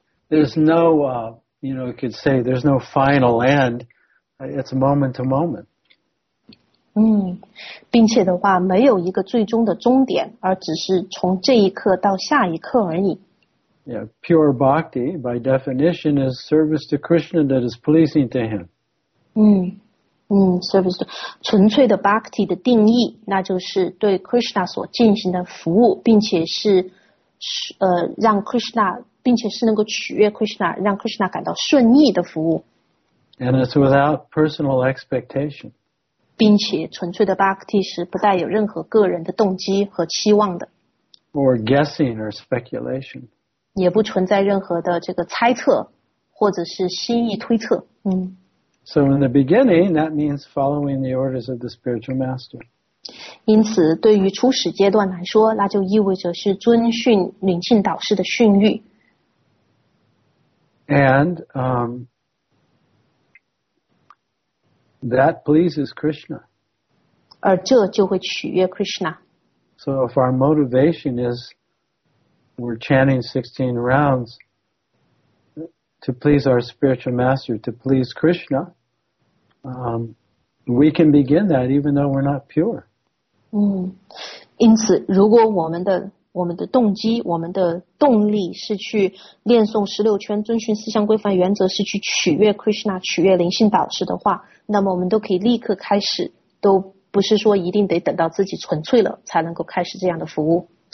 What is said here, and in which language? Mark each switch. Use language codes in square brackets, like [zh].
[en] there's no, you could say there's no final end. It's moment to moment. [zh] 并且的话，没有一个最终的终点，而只是从这一刻到下一刻而已。 [en] Yeah, pure bhakti, by definition, is service to Krishna that is pleasing to him. Service to, [zh] 纯粹的 bhakti 的定义，那就是对 Krishna 所进行的服务，并且是让 Krishna, 并且是能够取悦 Krishna, 让 Krishna 感到顺意的服务。 [en] And it's without personal expectation. [zh] 并且纯粹的 bhakti 是不带有任何个人的动机和期望的。 [en] Or guessing or speculation. [zh] 也不存在任何的这个猜测或者是心意推测。 [en] So in the beginning, that means following the orders of the spiritual master. [zh] 因此对于初始阶段来说，那就意味着是遵循灵性导师的训谕。 [en] And, that pleases Krishna. [zh] 而这就会取悦 Krishna. [en] So if our motivation is,we're chanting 16 rounds to please our spiritual master, to please Krishna, we can begin that even though we're not pure. [zh] 因此如果我们的动机，我们的动力是去念诵16圈，遵循四项规范原则，是去取悦 Krishna, 取悦灵性导师的话，那么我们都可以立刻开始，都不是说一定得等到自己纯粹了才能够开始这样的服务。